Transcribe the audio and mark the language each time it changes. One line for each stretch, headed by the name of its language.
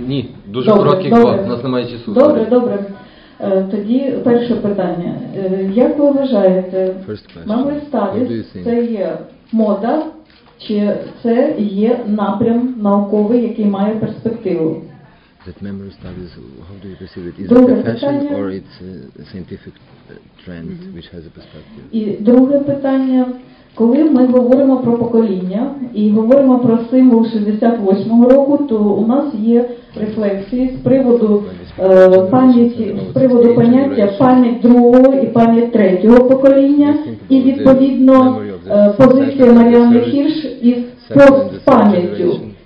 Ukrainian: Ні, дуже короткі два, у нас немає часу. Добре. Тоді перше питання. Як ви вважаєте, мабуть, ставіс – це є мода, чи це є напрям науковий, який має перспективу?
English: That memory studies, how do you perceive it? Is it a fashion or it's a scientific trend which has a perspective?
Ukrainian: І друге питання. Коли ми говоримо про покоління і говоримо про символ 68-го року, то у нас є рефлексії з приводу пам'яті, з приводу поняття пам'ять другого і пам'ять третього покоління, і відповідно позиція Маріани Хірш із постпам'яттю.